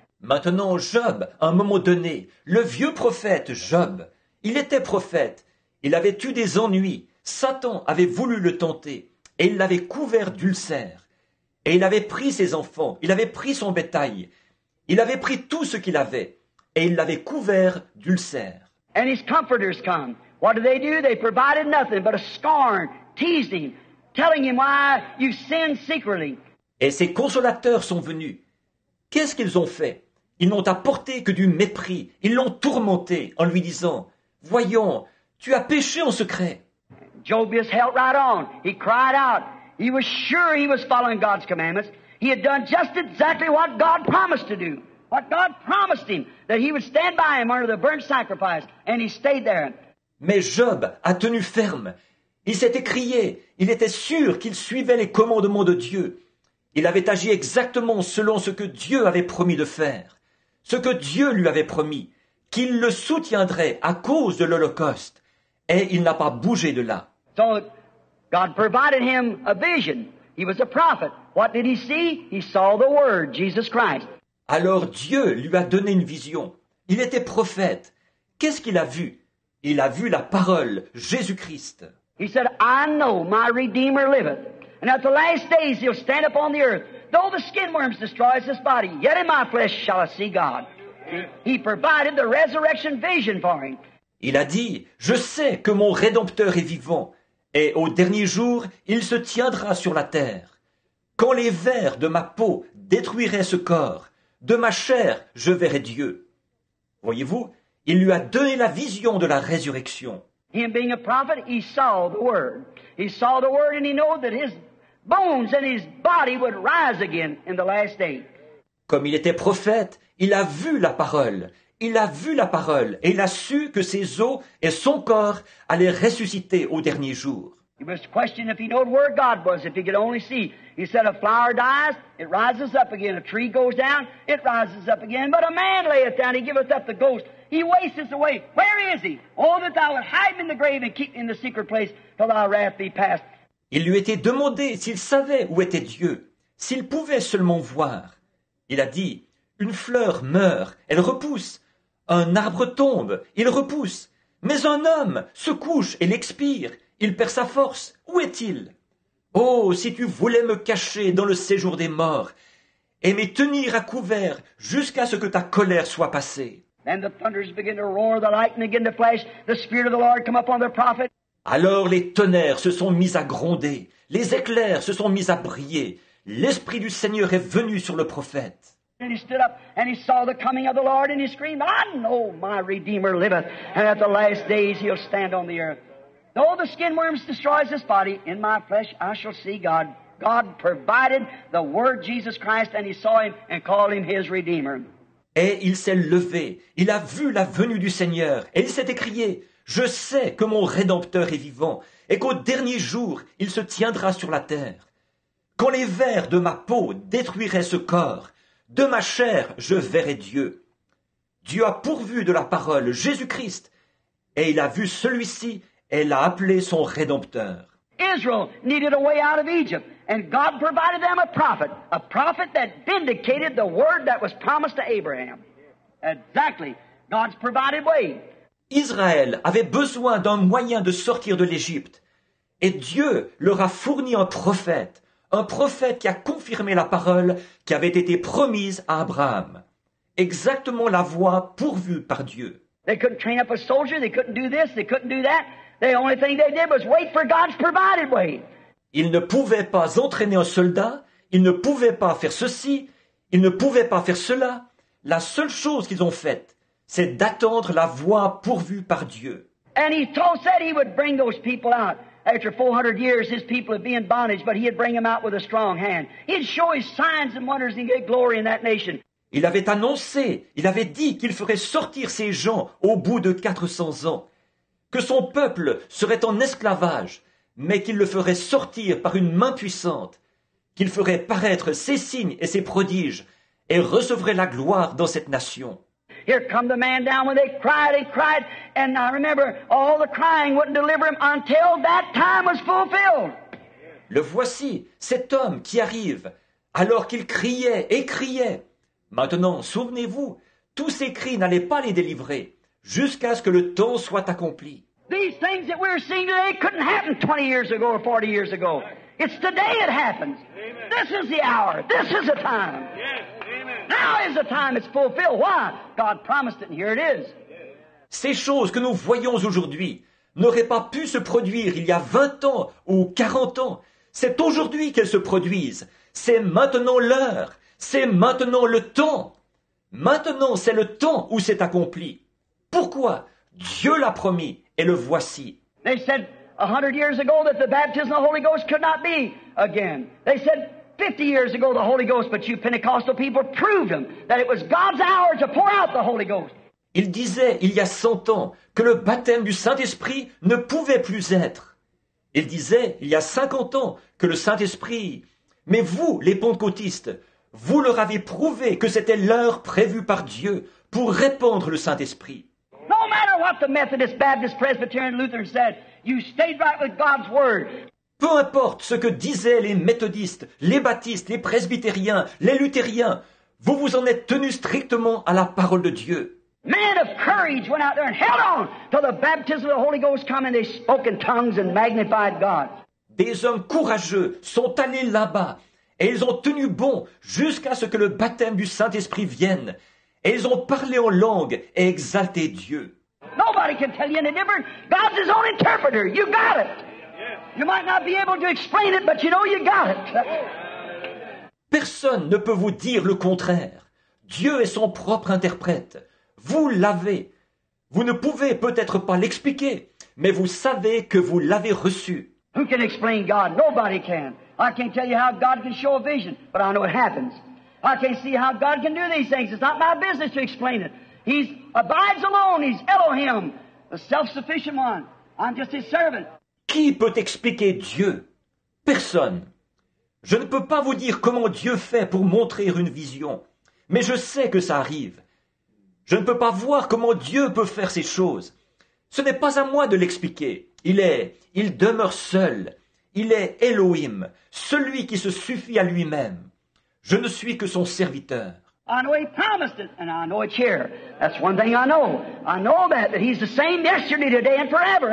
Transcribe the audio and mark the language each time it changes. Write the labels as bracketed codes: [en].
[fr] Maintenant Job, à un moment donné, le vieux prophète Job, il était prophète. Il avait eu des ennuis. Satan avait voulu le tenter et il l'avait couvert d'ulcères. Et il avait pris ses enfants, il avait pris son bétail, il avait pris tout ce qu'il avait et il l'avait couvert d'ulcères. [en] And his comforters come. What do? They provided nothing but a scorn, teased him, telling him why you sinned secretly. [fr] Et ses consolateurs sont venus. Qu'est-ce qu'ils ont fait? Ils n'ont apporté que du mépris. Ils l'ont tourmenté en lui disant, « Voyons, tu as péché en secret. » [en] Job just held right on. He cried out. He was sure he was following God's commandments. He had done just exactly what God promised to do. What God promised him, that he would stand by him under the burnt sacrifice. And he stayed there. [fr] Mais Job a tenu ferme. Il s'est écrié. Il était sûr qu'il suivait les commandements de Dieu. Il avait agi exactement selon ce que Dieu avait promis de faire. Ce que Dieu lui avait promis, qu'il le soutiendrait à cause de l'Holocauste. Et il n'a pas bougé de là. [en] So, God provided him a vision. He was a prophet. What did he see? He saw the Word, Jesus Christ. [fr] Alors Dieu lui a donné une vision. Il était prophète. Qu'est-ce qu'il a vu? Il a vu la parole, Jésus-Christ. [en] He said, I know my Redeemer liveth. And at the last days he'll stand upon the earth. Though the skin worms destroy his body, yet in my flesh shall I see God. He provided the resurrection vision for him. [fr] Il a dit, je sais que mon Rédempteur est vivant, et au dernier jour, il se tiendra sur la terre. Quand les vers de ma peau détruiraient ce corps, de ma chair, je verrai Dieu. Voyez-vous, il lui a donné la vision de la résurrection. [en] Him being a prophet, he saw the Word. He saw the Word and he knew that his bones and his body would rise again in the last day. [fr] Comme il était prophète, il a vu la parole. Il a vu la parole et il a su que ses os et son corps allaient ressusciter au dernier jour. [en] He must question if he knew where God was, if he could only see. He said, a flower dies, it rises up again. A tree goes down, it rises up again. But a man layeth down, he giveth up the ghost. He wastes away. Where is he? Oh, that thou would hide in the grave and keep in the secret place till thy wrath be past. [fr] Il lui était demandé s'il savait où était Dieu, s'il pouvait seulement voir. Il a dit, une fleur meurt, elle repousse, un arbre tombe, il repousse, mais un homme se couche et l'expire, il perd sa force, où est-il? Oh, si tu voulais me cacher dans le séjour des morts et me tenir à couvert jusqu'à ce que ta colère soit passée. [en] Then the thunders begin to roar, the lightning begin to flash, the spirit of the Lord come upon the prophet. [fr] Alors les tonnerres se sont mis à gronder, les éclairs se sont mis à briller, l'esprit du Seigneur est venu sur le prophète. [en] And he stood up and he saw the coming of the Lord and he screamed, I know my Redeemer liveth and at the last days he'll stand on the earth. Though the skin worms destroys this body, in my flesh I shall see God. God provided the word Jesus Christ and he saw him and called him his Redeemer. [fr] Et il s'est levé, il a vu la venue du Seigneur et il s'est écrié, je sais que mon Rédempteur est vivant et qu'au dernier jour il se tiendra sur la terre. Quand les vers de ma peau détruiraient ce corps, de ma chair je verrai Dieu. Dieu a pourvu de la parole Jésus-Christ et il a vu celui-ci et l'a appelé son Rédempteur. [en] Israel needed a way out of Egypt. And God provided them a prophet that vindicated the word that was promised to Abraham. Exactly, God's provided way. [fr] Israël avait besoin d'un moyen de sortir de l'Égypte, et Dieu leur a fourni un prophète qui a confirmé la parole qui avait été promise à Abraham. Exactement la voie pourvue par Dieu. [en] They couldn't train up a soldier. They couldn't do this. They couldn't do that. The only thing they did was wait for God's provided way. [fr] Ils ne pouvaient pas entraîner un soldat, ils ne pouvaient pas faire ceci, ils ne pouvaient pas faire cela. La seule chose qu'ils ont faite, c'est d'attendre la voie pourvue par Dieu. [en] And he told, said he would bring those people out. After 400 years, his people would be in bondage, but he'd bring them out with a strong hand. He'd show his signs and wonders and get glory in that nation. [fr] Il avait annoncé, il avait dit qu'il ferait sortir ces gens au bout de 400 ans, que son peuple serait en esclavage, mais qu'il le ferait sortir par une main puissante, qu'il ferait paraître ses signes et ses prodiges, et recevrait la gloire dans cette nation. [en] Here come the man down when they cried and cried, and I remember all the crying wouldn't deliver him until that time was fulfilled. [fr] Le voici, cet homme qui arrive, alors qu'il criait et criait. Maintenant, souvenez-vous, tous ces cris n'allaient pas les délivrer, jusqu'à ce que le temps soit accompli. [en] These things that we're seeing today couldn't happen 20 years ago or 40 years ago. It's today it happens. Amen. This is the hour. This is the time. Yes. Amen. Now is the time. It's fulfilled. Why? God promised it and here it is. [fr] Ces choses que nous voyons aujourd'hui n'auraient pas pu se produire il y a 20 ans ou 40 ans. C'est aujourd'hui qu'elles se produisent. C'est maintenant l'heure. C'est maintenant le temps. Maintenant, c'est le temps où c'est accompli. Pourquoi? Dieu l'a promis. Et le voici. [en] They said 100 years ago that the baptism of the Holy Ghost could not be again. They said 50 years ago the Holy Ghost, but you Pentecostal people proved them that it was God's hour to pour out the Holy Ghost. [fr] Il disait il y a 100 ans que le baptême du Saint-Esprit ne pouvait plus être. Il disait il y a 50 ans que le Saint-Esprit. Mais vous, les pentecôtistes, vous leur avez prouvé que c'était l'heure prévue par Dieu pour répandre le Saint-Esprit. [en] No matter what the Methodist, Baptist, Presbyterian, Lutheran said, you stayed right with God's word. [fr] Peu importe ce que disaient les méthodistes, les baptistes, les presbytériens, les luthériens, vous vous en êtes tenus strictement à la parole de Dieu. [en] Men of courage went out there and held on till the baptism of the Holy Ghost came and they spoke in tongues and magnified God. [fr] Des hommes courageux sont allés là-bas et ils ont tenu bon jusqu'à ce que le baptême du Saint-Esprit vienne. Et ils ont parlé en langue et exalté Dieu. [en] Nobody can tell you any different. God's his own interpreter. You got it. You might not be able to explain it, but you know you got it. [fr] Personne ne peut vous dire le contraire. Dieu est son propre interprète. Vous l'avez. Vous ne pouvez peut-être pas l'expliquer, mais vous savez que vous l'avez reçu. [en] Who can explain God? Nobody can. I can't tell you how God can show a vision, but I know it happens. I can't see how God can do these things. It's not my business to explain it. He abides alone. He's Elohim, the self-sufficient one. I'm just his servant. [fr] Qui peut expliquer Dieu? Personne. Je ne peux pas vous dire comment Dieu fait pour montrer une vision, mais je sais que ça arrive. Je ne peux pas voir comment Dieu peut faire ces choses. Ce n'est pas à moi de l'expliquer. Il demeure seul. Il est Elohim, celui qui se suffit à lui-même. Je ne suis que son serviteur. [en] I know he promised it, and I know it's here. That's one thing I know. I know that he's the same yesterday, today, and forever.